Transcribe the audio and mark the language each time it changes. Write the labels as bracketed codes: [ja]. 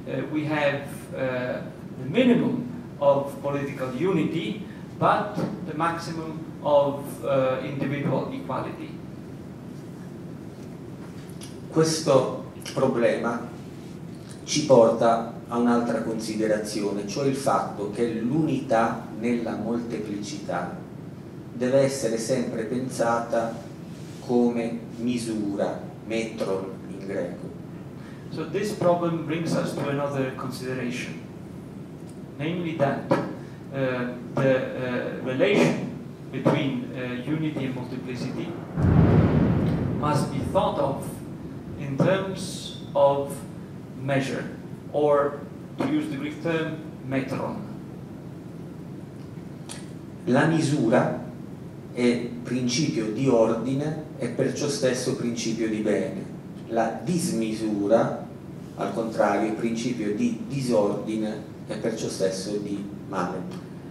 [en] We have the minimum of political unity, but the maximum of individual equality. [it] Questo problema ci porta a un'altra considerazione, cioè il fatto che l'unità nella molteplicità deve essere sempre pensata come misura, metron in greco. [en] So this problem brings us to another consideration, namely that the relation between unity and multiplicity must be thought of in terms of measure, or to use the Greek term, metron. [it] La misura è principio di ordine e perciò stesso principio di bene. La dismisura, al contrario, è principio di disordine e perciò stesso di male.